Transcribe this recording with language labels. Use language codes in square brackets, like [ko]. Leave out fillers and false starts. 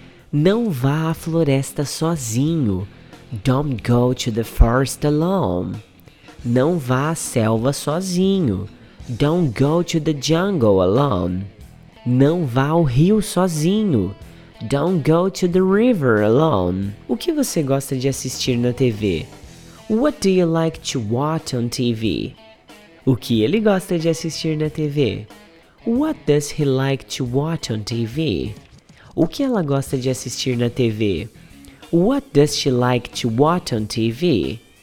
[pt] Não vá à floresta sozinho. [en] Don't go to the forest alone. [pt] Não vá à selva sozinho. [en] Don't go to the jungle alone. [pt] Não vá ao rio sozinho. [en] Don't go to the river alone. [pt] O que você gosta de assistir na TV? [en] What do you like to watch on TV? [pt] O que ele gosta de assistir na TV? [en] What does he like to watch on TV? [pt] O que ela gosta de assistir na TV? [en] What does she like to watch on TV?